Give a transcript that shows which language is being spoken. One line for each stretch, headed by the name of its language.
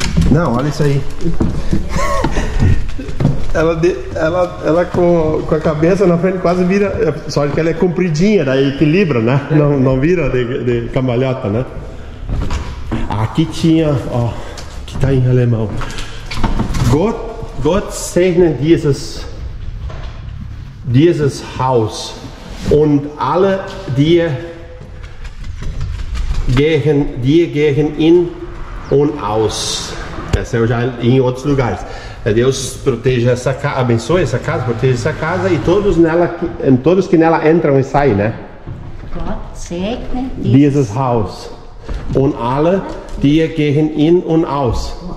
Portuguese: Não, olha isso aí. Ela com a cabeça na frente quase vira. Só que ela é compridinha, daí equilibra, né? Não vira de cambalhota, né? Aqui tinha, ó, que tá em alemão.
German: Gott segne dieses Haus und alle die gehen in und aus.
Portuguese: Essa eu já li em outros lugares. Deus proteja essa casa, abençoe essa casa, proteja essa casa e todos que nela entram e saem, né?
German: Gott segne dieses Haus und alle, die gehen in und aus.